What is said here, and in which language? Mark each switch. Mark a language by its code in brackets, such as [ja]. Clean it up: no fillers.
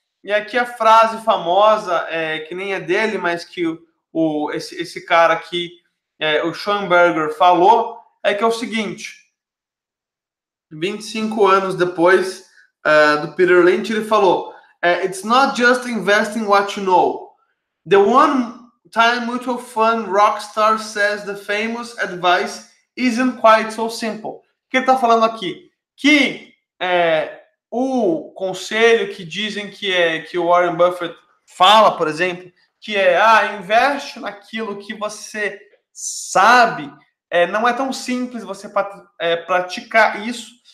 [pt] E aqui a frase famosa, que nem é dele, mas que esse cara aqui, o Schoenberger, falou, é que é o seguinte, 25 anos depois do Peter Lynch, ele falou, [en] it's not just investing what you know. The one time mutual fund rockstar says the famous advice isn't quite so simple. [pt] O que ele está falando aqui? Que o conselho que dizem que o Warren Buffett fala, por exemplo, que investe naquilo que você sabe, não é tão simples você praticar isso.